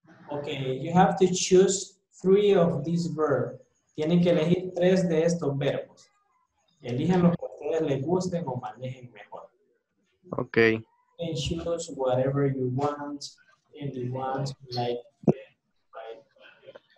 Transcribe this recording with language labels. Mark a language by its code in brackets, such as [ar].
[en] Okay, you have to choose three of these verbs. [es] Tienen que elegir tres de estos verbos. Elijan los que a ustedes les gusten o manejen mejor. [en] Okay. You can choose whatever you want, and you want, like, right?